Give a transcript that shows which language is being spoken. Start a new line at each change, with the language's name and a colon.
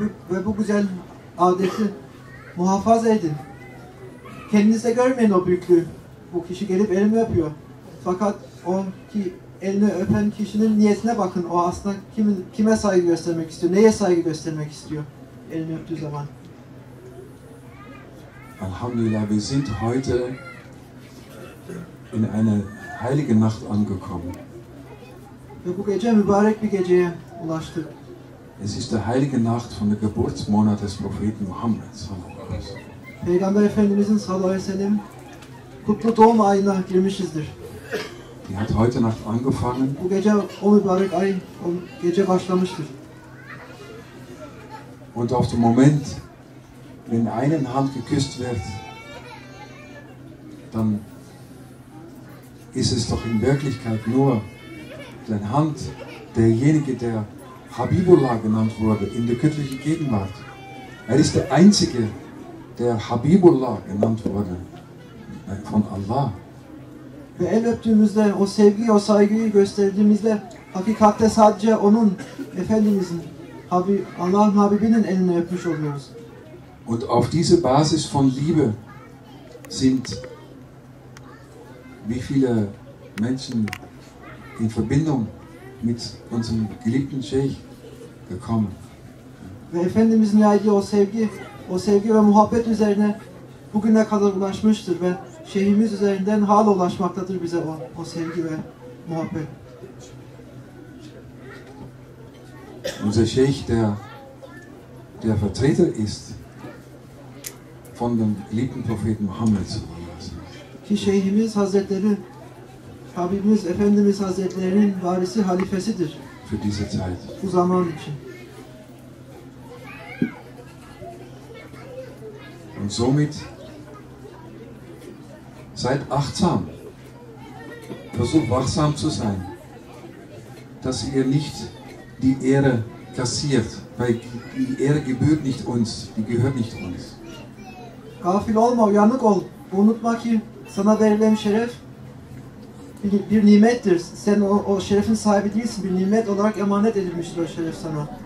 Turkish: Ve bu güzel adeti muhafaza edin. Kendinizde görmeyin o büyüklüğü. Bu kişi gelip elimi öpüyor. Fakat o ki elini öpen kişinin niyetine bakın. O aslında kime saygı göstermek istiyor? Neye saygı göstermek istiyor? Elini öptüğü zaman.
German: Alhamdulillah, wir sind heute in eine heilige Nacht angekommen.
Turkish: Ve bu gece mübarek bir geceye ulaştık.
German: Es ist der heilige Nacht von der Geburtsmonat des Propheten Muhammed.
Turkish: Peygamber Efendimizin sallallahu aleyhi ve sellem kutlu doğum ayına girmişizdir.
German: Die hat heute Nacht angefangen.
Turkish: Bu gece o mübarek ay, o gece başlamıştır.
German: Und auf dem Moment, wenn eine Hand geküsst wird, dann ist es doch in Wirklichkeit nur die Hand derjenige, der Habibullah genannt wurde in der göttlichen Gegenwart. Er ist der Einzige, der Habibullah genannt wurde von Allah.
Turkish: Ve el öptüğümüzde, o sevgiyi, o saygıyı gösterdiğimizde hakikatte sadece onun, Efendimizin, Allah'ın Habibinin elini öpmüş oluyoruz.
German: Und auf diese Basis von Liebe sind wie viele Menschen in Verbindung mit unserem geliebten Sheikh gekommen.
Turkish: Ve Efendimizin yaydığı o sevgi ve muhabbet üzerine bugüne kadar ulaşmıştır ve şeyhimiz üzerinden hala ulaşmaktadır bize o sevgi ve muhabbet.
German: Unser Sheikh, der Vertreter ist von dem geliebten Propheten Muhammed.
Turkish: Ki şeyhimiz Hazretleri, Habibimiz Efendimiz Hazretleri'nin varisi, halifesidir.
German: Für diese Zeit.
Turkish: Bu zaman için.
German: Und somit seid achtsam. Versucht wachsam zu sein, dass ihr nicht die Ehre kassiert, weil die Ehre gebührt nicht uns, die gehört nicht uns.
Turkish: Gafil olma, uyanık ol. Unutma ki sana verilen şeref bir nimettir. Sen o şerefin sahibi değilsin. Bir nimet olarak emanet edilmiştir o şeref sana.